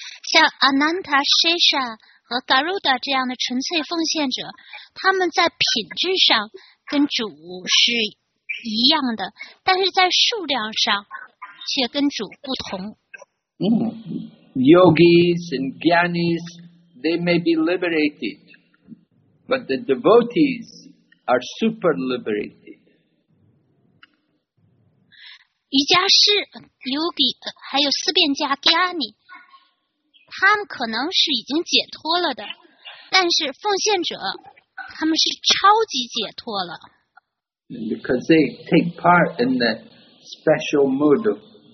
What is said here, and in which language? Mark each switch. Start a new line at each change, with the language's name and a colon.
Chinese: 像 Anantha Shesha 和 Garuda 这样的纯粹奉献者，他们在品质上跟主是一样的，但是在数量上。却跟主不同。
English: Yogis and Gyanis, they may be liberated, but the devotees are super liberated.
Chinese: 瑜伽师、刘比还有思辨家 Gyani, 他们可能是已经解脱了的，但是奉献者，他们是超级解脱了。
English: Because they take part in the special mood of.